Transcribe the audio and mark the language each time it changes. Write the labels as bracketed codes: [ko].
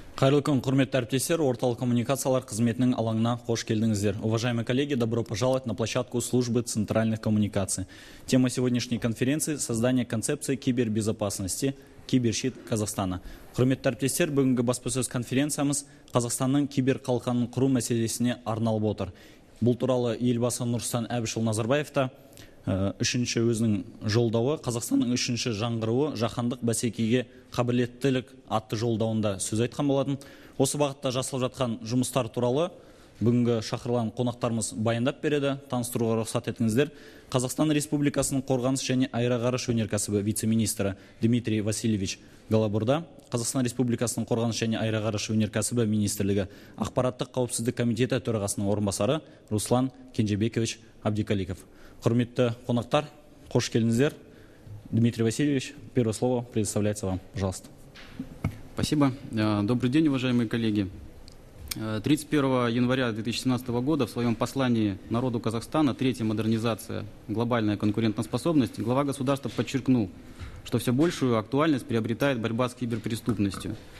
[kk] Қайырлы күн, құрметті әріптестер, орталық коммуникациялар қызметінің алаңына қош келдіңіздер. [ru] Уважаемые коллеги, добро пожаловать на площадку службы центральных коммуникаций. Тема сегодняшней конференции – создание концепции кибербезопасности, кибершит Казахстана. [kk] Құрметті әріптестер, бүгінгі баспасөз конференциямыз Қазақстанның киберқалқанын құру мәселесіне арналып отыр. Бұл туралы елбасы Нұрсұлтан Әбішұлы Назарбаев та үшінші өзінің жолдауы, Қазақстанның үшінші жаңғыруы жаһандық бәсекеге қабілеттілік атты жолдауында сөз айтқан болатын. Осы бағытта жасалып жатқан жұмыстар туралы бүгінгі шақырылған қонақтарымыз баяндап береді. Таныстыруға рұқсат етіңіздер. Қазақстан Республикасының қорғаныс және аэроғарыш өнеркәсібі вице-министрі Дмитрий Васильевич Галабурда, Қазақстан Республикасының қорғаныс және аэроғарыш өнеркәсібі министрлігі ақпараттық қауіпсіздік комитеті төрағасының орынбасары Руслан Кенжебекович Абдикаликов. Құрметті қонақтар, қош келдіңіздер. [ru] Дмитрий Васильевич, первое слово предоставляется вам, пожалуйста. Спасибо. Добрый день, уважаемые коллеги. 31 января 2017 года в своем послании народу Казахстана «Третья модернизация. Глобальная конкурентоспособность» глава государства подчеркнул, что все большую актуальность приобретает борьба с киберпреступностью.